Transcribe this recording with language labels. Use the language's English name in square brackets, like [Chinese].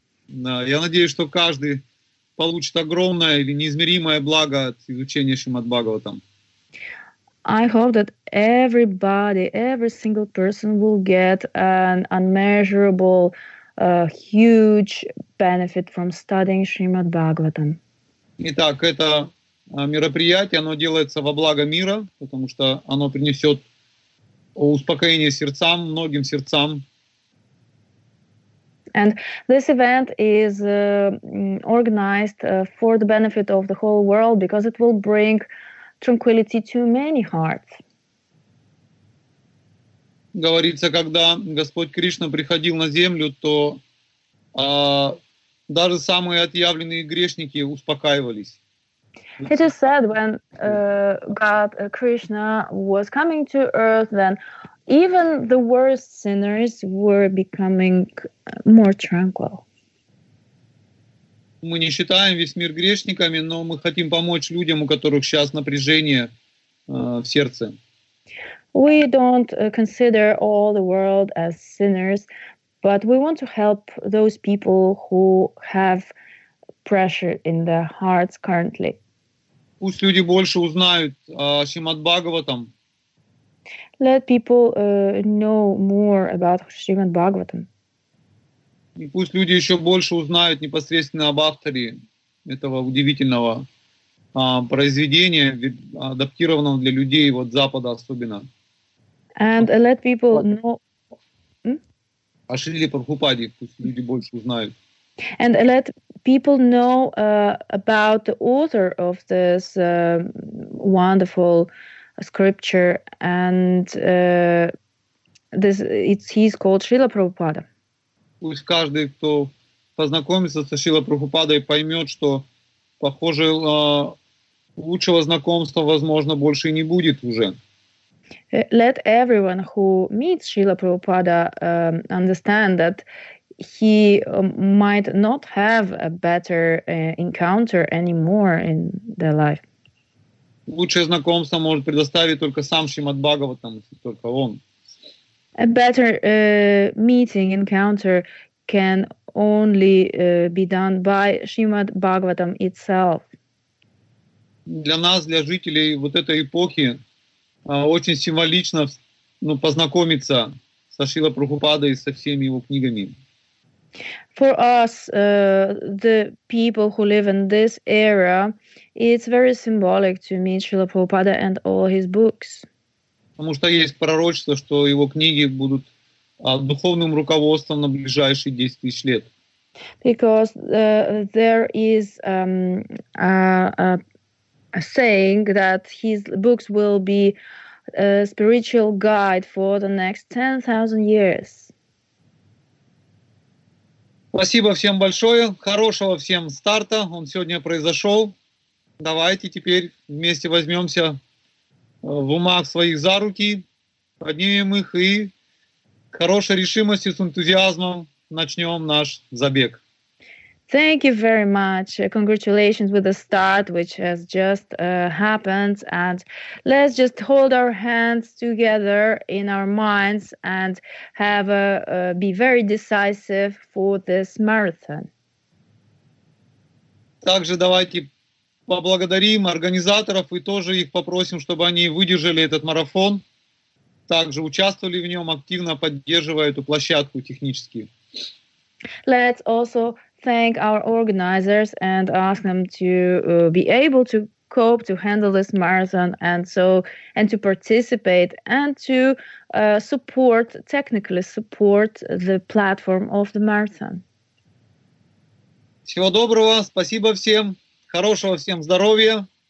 [Russian] Да, я надеюсь, что каждый получит огромное или неизмеримое благо от изучения Шримад-Бхагаватам. [English] I hope that everybody, every single person will get an unmeasurable, huge benefit from studying Shrimad Bhagavatam. [Russian] Итак, это мероприятие, оно делается во благо мира, потому что оно принесет успокоение сердцам, многим сердцам. [English] And this event is organized for the benefit of the whole world because it will bring tranquility to many hearts. [Russian] Говорится, когда Господь Кришна приходил на землю, то даже самые отъявленные грешники успокаивались. [English] It is said when God Krishna was coming to earth, then even the worst sinners were becoming more tranquil. [Russian] Мы не считаем весь мир грешниками, но мы хотим помочь людям, у которых сейчас напряжение в сердце. [English] We don't consider all the world as sinners, but we want to help those people who have pressure in their hearts currently. [Russian] Пусть люди больше узнают о Шримад-Бхагаватам. [English] Let people know more about Шримад-Бхагаватам. [Russian] И пусть люди еще больше узнают непосредственно об авторе этого удивительного произведения, адаптированного для людей вот Запада особенно. [English] And let people know... [Russian] О Шриле Прабхупаде пусть люди больше узнают. [English] And let people know about the author of this wonderful scripture, and he's called Srila Prabhupada. [Russian] Пусть каждый, кто познакомится со Шрилой Прабхупадой, поймет, что, похоже, лучшего знакомства, возможно, больше не будет уже. [English] Let everyone who meets Srila Prabhupada understand that he might not have a better encounter anymore in their life. [Russian] Лучшее знакомство может предоставить только сам Шримад Бхагаватам, только он. [English] A better meeting, encounter can only be done by Shrimad Bhagavatam itself. [Russian] Для нас, для жителей вот этой эпохи, очень символично познакомиться со Шрилой Прабхупадой и со всеми его книгами. [English] For us, the people who live in this era, it's very symbolic to meet Srila Prabhupada and all his books. [Russian] Потому что есть пророчество, что его книги будут духовным руководством на ближайшие 10 тысяч лет. [English] Because there is a saying that his books will be a spiritual guide for the next 10,000 years. [Russian] Спасибо всем большое. Хорошего всем старта. Он сегодня произошел. Давайте теперь вместе возьмемся в умах своих за руки, поднимем их и хорошей решимостью, с энтузиазмом начнем наш забег. [English] Thank you very much. Congratulations with the start, which has just happened. And let's just hold our hands together in our minds and have be very decisive for this marathon. [Russian] Также давайте поблагодарим организаторов и тоже их попросим, чтобы они выдержали этот марафон, также участвовали в нем, активно поддерживая эту площадку технически. [English] Let's also thank our organizers and ask them to be able to cope, to handle this marathon and to participate and to support, technically support the platform of the marathon. [Russian] Всего доброго, спасибо всем, хорошего всем здоровья.